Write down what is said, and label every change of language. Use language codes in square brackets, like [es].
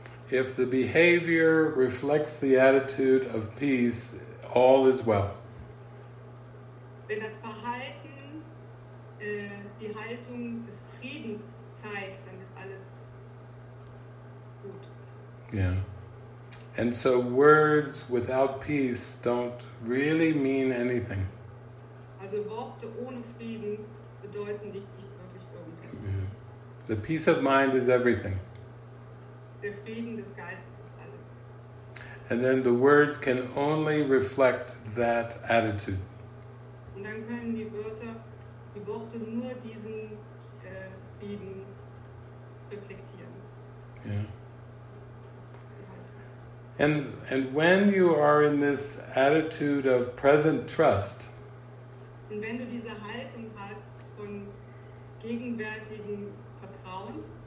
[en] If the behavior reflects the attitude of peace, all is well. [de] Wenn das Verhalten die Haltung des Friedens zeigt, dann ist alles gut. [en] Yeah. And so words without peace don't really mean anything. [de] Also Worte ohne Frieden bedeuten nicht wirklich irgendetwas. [en] Yeah. The peace of mind is everything. [de] Der Frieden des Geistes ist alles. [en] And then the words can only reflect that attitude. [de] Und dann können die Worte nur diesen Frieden reflektieren. [en] Yeah. And when you are in this attitude of present trust, [de] und wenn du diese Haltung hast von gegenwärtigem Vertrauen,